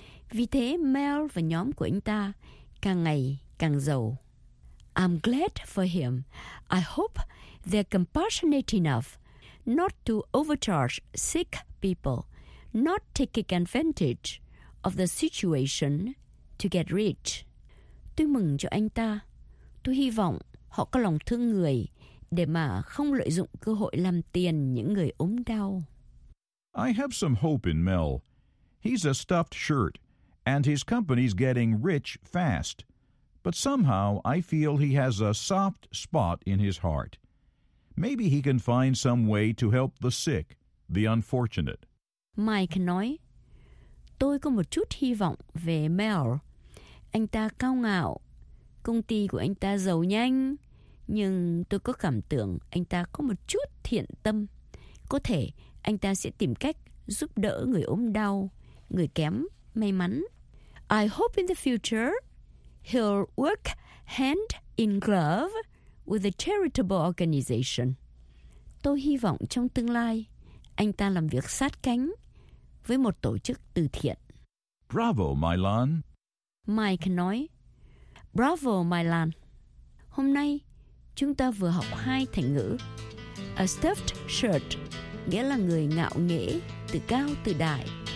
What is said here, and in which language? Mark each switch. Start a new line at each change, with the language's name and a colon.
Vietnamese: Vì thế Mel và nhóm của anh ta càng ngày càng giàu.
English: I'm glad for him. I hope they're compassionate enough not to overcharge sick people, not taking advantage of the situation to get rich.
Vietnamese: Tôi mừng cho anh ta. Tôi hy vọng họ có lòng thương người để mà không lợi dụng cơ hội làm tiền những người ốm đau.
English: I have some hope in Mel. He's a stuffed shirt, and his company's getting rich fast. But somehow I feel he has a soft spot in his heart. Maybe he can find some way to help the sick, the unfortunate.
Vietnamese: Mike nói, tôi có một chút hy vọng về Mel. Anh ta cao ngạo, công ty của anh ta giàu nhanh, nhưng tôi có cảm tưởng anh ta có một chút thiện tâm. Có thể anh ta sẽ tìm cách giúp đỡ người ốm đau, người kém may mắn.
English: I hope in the future he'll work hand in glove with a charitable organization.
Vietnamese: Tôi hy vọng trong tương lai anh ta làm việc sát cánh với một tổ chức từ thiện.
English: Bravo, Mylon.
Vietnamese: Mike nói, bravo, Mylon. Hôm nay chúng ta vừa học hai thành ngữ. A stuffed shirt nghĩa là người ngạo nghễ, tự cao tự đại.